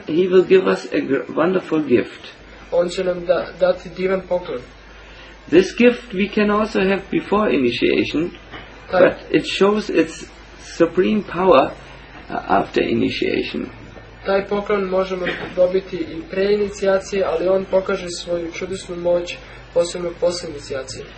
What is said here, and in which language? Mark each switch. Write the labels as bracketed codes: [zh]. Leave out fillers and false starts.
[en] he will give us a wonderful gift. [sr] On će nam dati divan poklon. [en] This gift we can also have before initiation, but it shows its supreme power after initiation. [sr] Taj poklon možemo dobiti i pre inicijacije, ali on pokaže svoju čudesnu moć posebno posle inicijacije.